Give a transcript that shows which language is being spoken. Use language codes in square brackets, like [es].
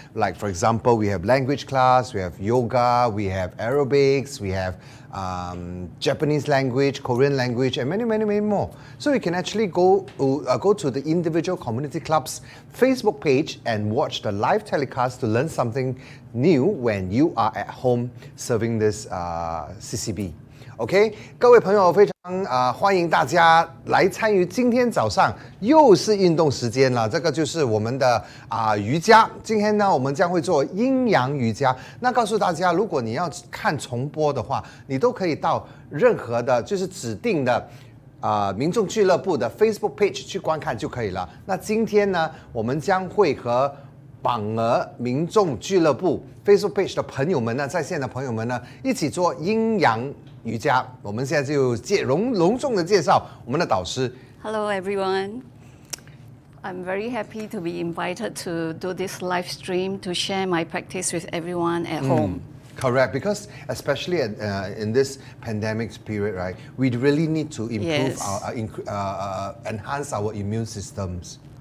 [en] Like, for example, we have language class, we have yoga, we have aerobics, we have Japanese language, Korean language, and many, many, many more. So you can actually go to the individual community clubs Facebook page and watch the live telecast to learn something new when you are at home serving this CCB. [zh] OK, 各位朋友，非常欢迎大家来参与今天早上又是运动时间了。这个就是我们的瑜伽。今天呢，我们将会做阴阳瑜伽。那告诉大家，如果你要看重播的话，你都可以到任何的，就是指定的民众俱乐部的 Facebook page 去观看就可以了。那今天呢，我们将会和榜鹅民众俱乐部 Facebook page 的朋友们呢，在线的朋友们呢，一起做阴阳瑜伽。我们现在就隆重的介绍我们的导师。 [en] Hello everyone, I'm very happy to be invited to do this live stream to share my practice with everyone at home. Correct, because especially in this pandemic period, right, we really need to improve enhance our immune systems.